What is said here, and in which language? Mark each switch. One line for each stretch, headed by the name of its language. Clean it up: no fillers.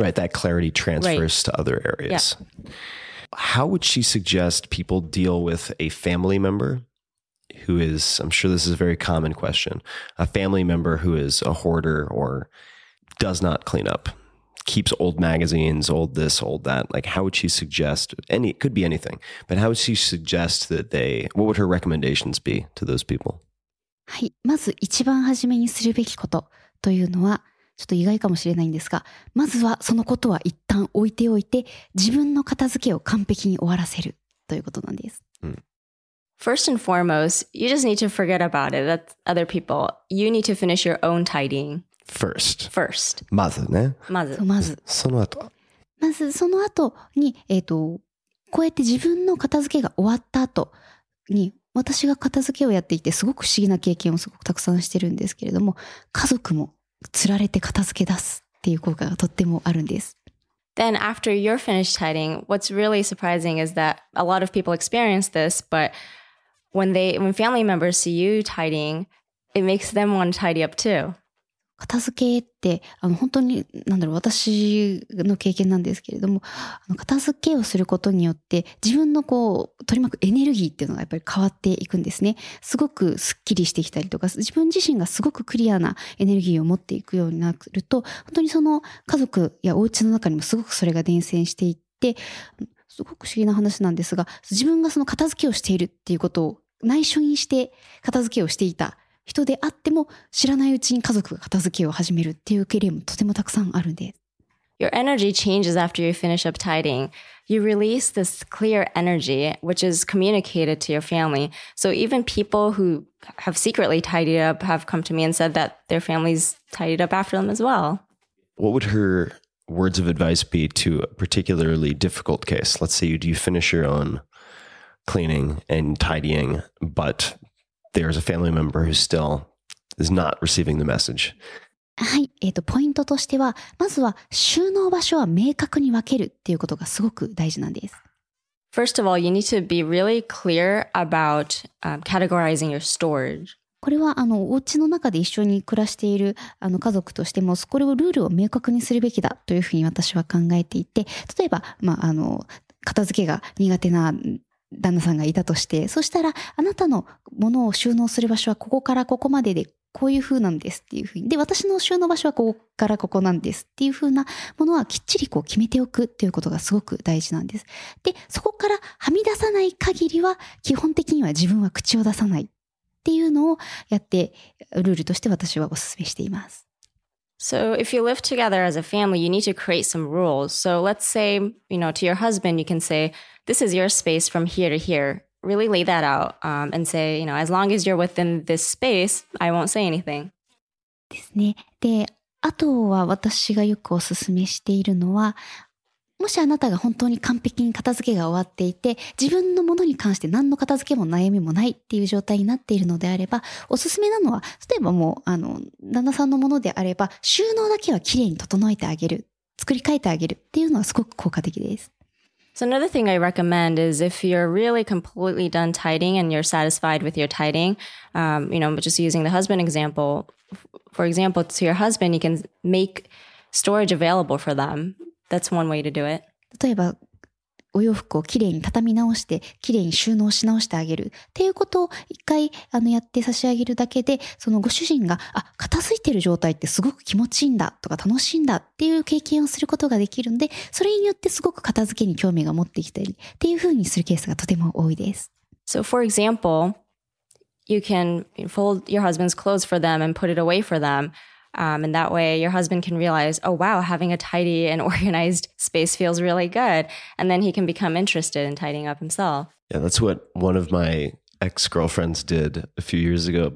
English: Right. That clarity transfers to other areas. Yeah. How would she suggest people deal with a family member who is, I'm sure this is a very common question, a family member who is a hoarder or does not clean up, keeps old magazines, old this, old that? Like, how would she suggest, any, it could be anything, but how would she suggest that they, what would her recommendations be to those people?
Japanese: はい、まず一番初めにするべきことというのは、ちょっと意外かもしれないんですが、まずはそのことは一旦置いておいて、自分の片付けを完璧に終わらせるということなんです。
English: First and foremost, you just need to forget about it. That's other people. You need to finish your own tidying. First. First.
Japanese: まずね。まず。まず。その後。まずその後に、こうやって自分の片付けが終わった後に、私が片付けをやっていてすごく不思議な経験をすごくたくさんしてるんですけれども、家族もつられて片付け出すっていう効果がとってもあるんです。
English: Then after you're finished tidying, what's really surprising is that a lot of people experience this, but when family members see you tidying, it makes them want to tidy up too.
Japanese: 片付けって本当に私の経験なんですけれども、片付けをすることによって自分のこう取り巻くエネルギーっていうのがやっぱり変わっていくんですね。すごくすっきりしてきたりとか、自分自身がすごくクリアなエネルギーを持っていくようになると、本当にその家族やお家の中にもすごくそれが伝染していって、すごく不思議な話なんですが、自分がその片付けをしているっていうことを内緒にして片付けをしていた人であっても、知らないうちに家族が片付けを始めるっていう経験もとてもたくさんあるんです。
English: Your energy changes after you finish up tidying. You release this clear energy, which is communicated to your family. So even people who have secretly tidied up have come to me and said that their families tidied up after them as well. What would her words of advice be to a particularly difficult case? Let's say you finish your own cleaning and tidying, but there's a family member who still is not receiving the message.
Japanese: はい、ポイントとしては、まずは収納場所は明確に分けるっていうことがすごく大事なんです。
English: First of all, you need to be really clear about categorizing your storage.
Japanese: これはお家の中で一緒に暮らしている家族としても、これをルールを明確にするべきだというふうに私は考えていて、例えば、片付けが苦手な旦那さんがいたとして、そしたらあなたのものを収納する場所はここからここまでで、こういう風なんですっていう風に、で、私の収納場所はここからここなんですっていう風なものはきっちりこう決めておくっていうことがすごく大事なんです。で、そこからはみ出さない限りは基本的には自分は口を出さないっていうのをやって、ルールとして私はお勧めしています。
English: So if you live together as a family, you need to create some rules. So let's say, you know, to your husband, you can say, this is your space from here to here. Really lay that out, and say, you know, as long as you're within this space, I won't say anything.
Japanese: ですね。で、あとは私がよくお勧めしているのは、もしあなたが本当に完璧に片付けが終わっていて、自分のものに関して何の片付けも悩みもないっていう状態になっているのであれば、おすすめなのは、例えばもう旦那さんのものであれば、収納だけはきれいに整えてあげる、作り変えてあげるっていうのはすごく効果的です。
English: So another thing I recommend is if you're really completely done tidying and you're satisfied with your tidying, you know, just using the husband example, for example, to your husband, you can make storage available for them. That's one way to do it.
Japanese: 例えば、お洋服をきれいに畳み直してきれいに収納し直してあげるっていうことを一回やって差し上げるだけで、そのご主人が、あ、片付いてる状態ってすごく気持ちいいんだとか楽しいんだっていう経験をすることができるんで、それによってすごく片付けに興味が持ってきたりっていうふうにするケースがとても多いです。
English: So for example, you can fold your husband's clothes for them and put it away for themand that way your husband can realize, oh wow, having a tidy and organized space feels really good. And then he can become interested in tidying up himself. Yeah, that's what one of my ex-girlfriends did a few years ago.